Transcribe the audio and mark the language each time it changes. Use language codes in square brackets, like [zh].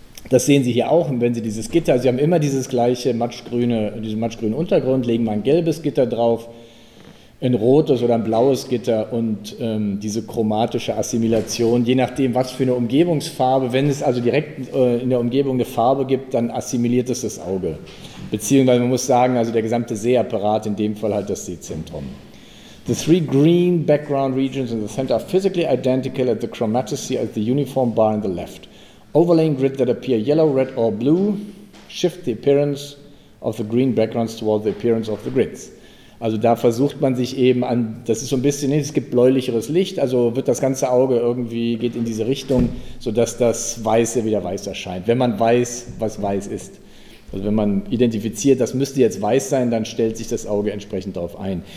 [de] Das sehen Sie hier auch, wenn Sie dieses Gitter, Sie haben immer dieses gleiche matschgrüne Untergrund, legen mal ein gelbes Gitter drauf, ein rotes oder ein blaues Gitter und diese chromatische Assimilation, je nachdem, was für eine Umgebungsfarbe, wenn es also direkt in der Umgebung eine Farbe gibt, dann assimiliert es das Auge. Beziehungsweise man muss sagen, also der gesamte Sehapparat, in dem Fall halt das Sehzentrum. [en] The three green background regions in the center are physically identical at the chromaticity at the uniform bar on the left. Overlaying grid that appear yellow, red or blue shift the appearance of the green backgrounds toward the appearance of the grids. [de] Also da versucht man sich eben an, das ist so ein bisschen, es gibt bläulicheres Licht, also wird das ganze Auge irgendwie, geht in diese Richtung, sodass das Weiße wieder weiß erscheint, wenn man weiß, was weiß ist. Also wenn man identifiziert, das müsste jetzt weiß sein, dann stellt sich das Auge entsprechend darauf ein.